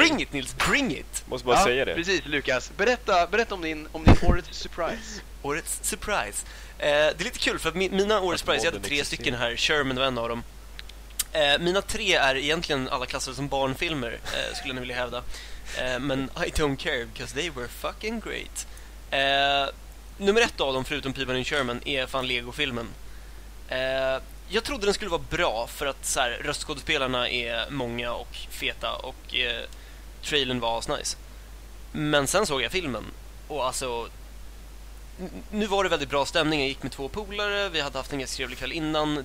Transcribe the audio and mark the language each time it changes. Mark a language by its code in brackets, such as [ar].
[en] Bring it, Nils, bring it. [sv] Måste bara säga det. Precis, Lukas, berätta om din årets surprise. Årets surprise. Det är lite kul för mina årets surprise, jag hade tre stycken här. Sherman var en av dem. Mina tre är egentligen alla klassade som barnfilmer, skulle ni vilja hävda. Men [en] I don't care because they were fucking great. [sv] Nummer ett av dem, förutom Pippin och Sherman, är fan Lego-filmen. Jag trodde den skulle vara bra för att så här, röstskådespelarna är många och feta och trailern var asnice. Men sen såg jag filmen och alltså... Nu var det väldigt bra stämning, jag gick med två polare, vi hade haft en ganska trevlig kväll innan.